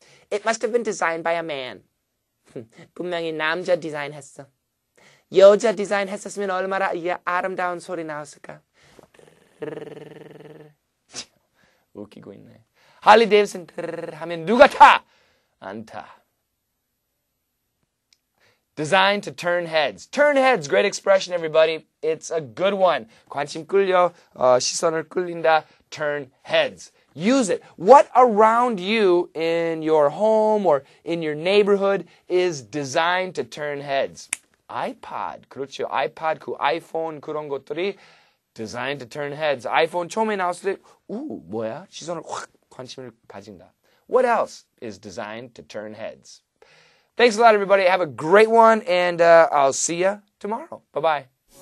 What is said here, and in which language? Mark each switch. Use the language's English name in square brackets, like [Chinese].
[English] It must have been designed by a man. [Korean] 분명히 남자 디자인했어. 여자 디자인했었으면 얼마나 아름다운 소리 나왔을까. 웃기고 있네. 할리 데이비슨 하면 누가 타? 안 타. [English] Designed to turn heads. Turn heads, great expression, everybody. It's a good one. [Korean] 관심 끌려, 시선을 끌린다. [English] Turn heads. Use it. What around you in your home or in your neighborhood is designed to turn heads? [Korean] iPod. 그렇죠. iPod, 그 iPhone, 그런 것들이 [English] designed to turn heads. [Korean] iPhone 처음에 나왔을 때, 뭐야? 시선을 확 관심을 가진다. [English] What else is designed to turn heads? Thanks a lot, everybody. Have a great one, and I'll see you tomorrow. Bye-bye.